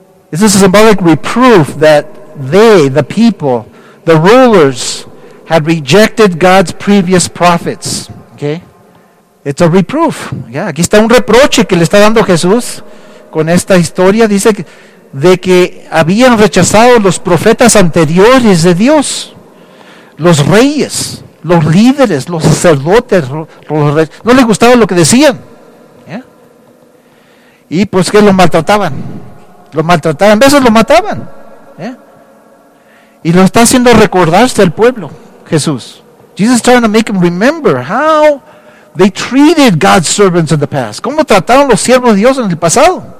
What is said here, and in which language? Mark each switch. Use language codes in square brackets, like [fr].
[en] This is a symbolic reproof that they, the people, the rulers, had rejected God's previous prophets. Okay? It's a reproof. [es] Yeah, aquí está un reproche que le está dando Jesús con esta historia. Dice de que habían rechazado los profetas anteriores de Dios. Los reyes, los líderes, los sacerdotes, no les gustaba lo que decían. Yeah? Y pues que lo maltrataban, a veces lo mataban. Y lo está haciendo recordarse al pueblo, Jesús. [en] Jesus is trying to make him remember how they treated God's servants in the past. [es] ¿Cómo trataron los siervos de Dios en el pasado?